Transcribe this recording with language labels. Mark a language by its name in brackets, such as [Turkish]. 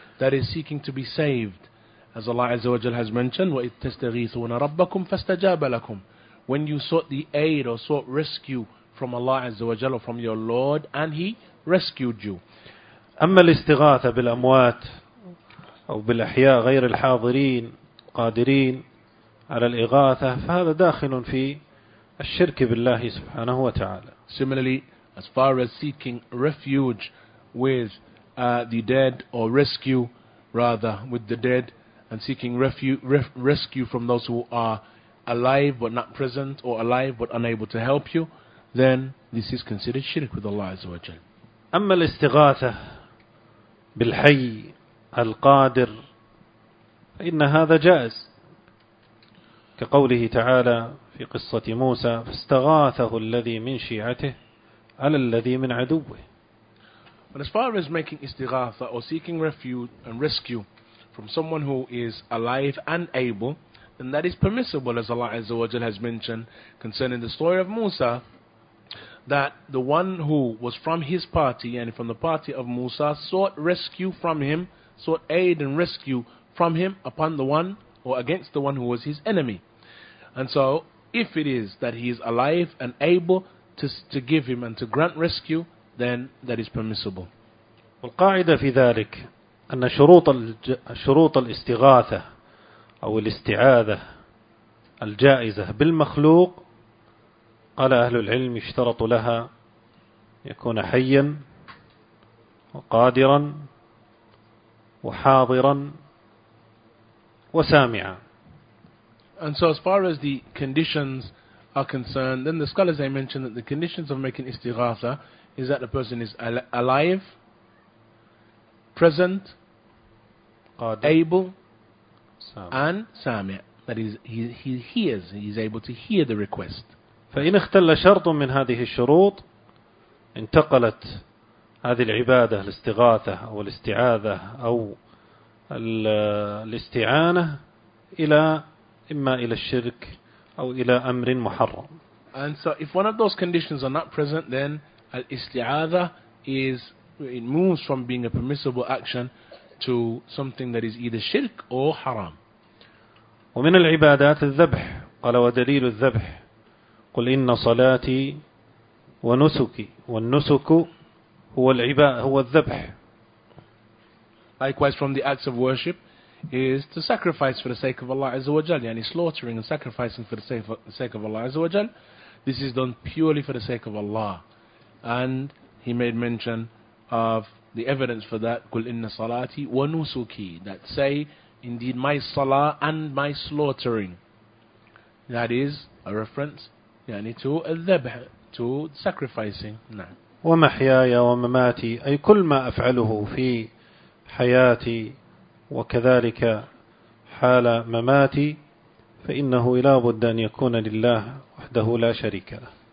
[English] That is seeking to be saved. As Allah Azza wa Jal has mentioned, [Arabic] وَإِذْ تَسْتَغِيثُونَ رَبَّكُمْ فَاسْتَجَابَ لَكُمْ. [English] When you sought the aid or sought rescue from Allah Azza wa Jal or from your Lord, and He rescued you. [Arabic] أَمَّا الْإِسْتِغَاثَ بِالْأَمْوَاتِ أو بالأحياء غير الحاضرين قادرين على الإغاثة فهذا داخل في الشرك بالله سبحانه وتعالى. [English] Similarly, as far as seeking refuge with the dead or rescue rather with the dead and seeking rescue from those who are alive but not present or alive but unable to help you, then this is considered shirk with Allah عز وجل. [Arabic] أما الاستغاثة بالحي القادر فإن هذا جائز. كقوله تعالى في قصة موسى فاستغاثه الذي من شيعته على الذي من عدوه. [English] But as far as making istighatha or seeking refuge and rescue from someone who is alive and able, then that is permissible, as Allah Azza wa Jal has mentioned concerning the story of Musa, that the one who was from his party and from the party of Musa sought rescue from him, sought aid and rescue from him upon the one or against the one who was his enemy. And so if it is that he is alive and able to give him and to grant rescue, then that is permissible. [Arabic] والقاعدة في ذلك أن شروط الاستغاثة أو الاستعاذة الجائزة بالمخلوق قال أهل العلم يشترط لها يكون حيا وقادرا وحاضرا وسامعا. [English] And so as far as the conditions are concerned, then the scholars, they mentioned that the conditions of making istighatha is that the person is alive, present, [Arabic] قادر, [English] able, and سامع. That is, he's able to hear the request. [Arabic] فإن اختل شرط من هذه الشروط انتقلت هذه العبادة الاستغاثة أو الاستعاذة أو الاستعانة إلى إما إلى الشرك أو إلى أمر محرم. [English] And so if one of those conditions are not present, then al-isti'adha is, it moves from being a permissible action to something that is either shirk or haram. [Arabic] ومن العبادات الذبح. قال ودليل الذبح قل إن صلاتي ونسكي والنسك هو الذبح. [English] Likewise, from the acts of worship is to sacrifice for the sake of Allah Azza wa Jal, yani slaughtering and sacrificing for the sake of Allah Azza wa Jal. This is done purely for the sake of Allah. And he made mention of the evidence for that, [Arabic] قل إن صلاتي ونسكي, [English] that say indeed my salah and my slaughtering, that is a reference [Arabic] يعني [English] to [Arabic] الذبح, [English] to sacrificing. [Arabic] نعم. ومحياي ومماتي, أي كل ما أفعله في حياتي وكذلك حال مماتي فإنه لا بد أن يكون لله وحده لا شريك له.